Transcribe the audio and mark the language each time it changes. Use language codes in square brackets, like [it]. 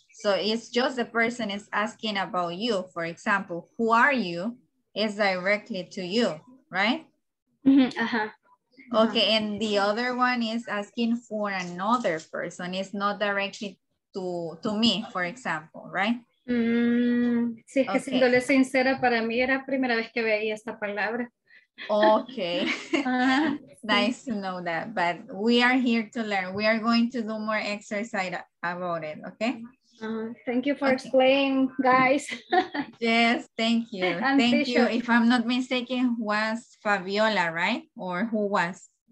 [en] So it's just the person is asking about you. For example, who are you? Is directly to you, right? Uh-huh. Okay, and the other one is asking for another person. It's not directly to me, for example, right? [es] Sí, es que siéndole sincera, para mí era la primera vez que veía esta palabra. [en] Okay, nice to know that. But we are here to learn. We are going to do more exercise about it, okay? Thank you for explaining, guys. Yes, thank you. Thank you. If I'm not mistaken, was Fabiola, right? Or who was?